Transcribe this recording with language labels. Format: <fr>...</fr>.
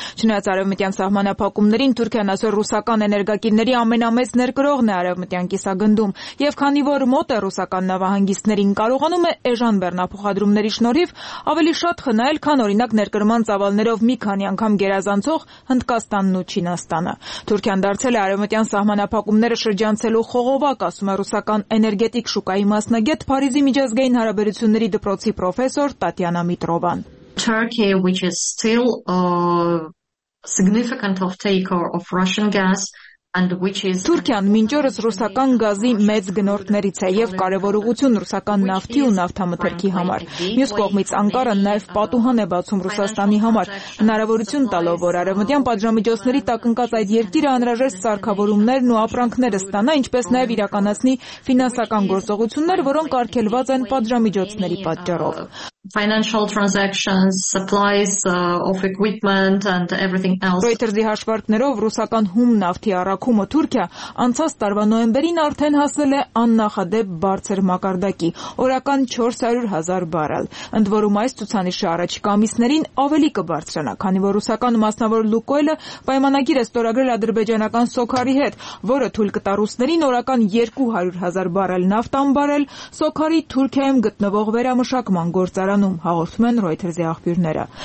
<hy>Չնայած արևմտյան սահմանափակումներին, Թուրքիան այսօր ռուսական էներգակիրների ամենամեծ ներկրողն է արևմտյան կիսագնդում, և քանի որ մոտ է ռուսական նավահանգիստներին, կարողանում է էժան բեռնափոխադրումների շնորհիվ ավելի շատ խնայել, քան օրինակ ներկրման ծավալներով մի քանի անգամ գերազանցող Հնդկաստանն ու Չինաստանը։ Թուրքիան դարձել է արևմտյան սահմանափակումները շրջանցելու խողովակ, ասում է ռուսական էներգետիկ շուկայի մասնագետ, Փարիզի միջազգային հարաբերությունների դպրոցի պրոֆեսոր Տատյանա Միտրովան։</hy> <en>Turkey, which is still a significant of taker of Russian gas,</en> <hy>Թուրքիան մինչ օրս ռուսական գազի մեծ գնորդներից է և կարևոր ուղղություն ռուսական նավթի ու նավթամթերքի համար։ Մյուս կողմից Անկարան նաև պատուհան է բացում Ռուսաստանի համար, հնարավորություն տալով, որ արևմտյան պատժամիջոցների տակ ընկած այդ երկիրը անհրաժեշտ սարքավորումներն ու ապրանքները ստանա, ինչպես նաև իրականացնի ֆինանսական գործողություններ, որոնք արգելված են պատժամիջոցների պատճառով։</hy> <en>Financial transactions, supplies of equipment and everything else.</en> <hy>Reuters-ի հաշվարկներով ռուսական հում նավթի առաքումը Թուրքիա անցած տարվա նոյեմբերին արդեն հասել է աննախադեպ բարձր մակարդակի՝ օրական 400 000 բարել։ Ընդ որում այս ցուցանիշը առաջիկա ամիսներին ավելի կբարձրանա, քանի որ ռուսական մասնավոր Լուկոյլը պայմանագիր է ստորագրել ադրբեջանական Սոքարի հետ, որը թույլ կտա ռուսներին օրական 200 000 բարել նավթ ամբարել Սոքարի Թուրքիայում գտնվող վերամշակման գործ Արանում, հաղորդում են Reuters-ի աղբյուրները։</hy>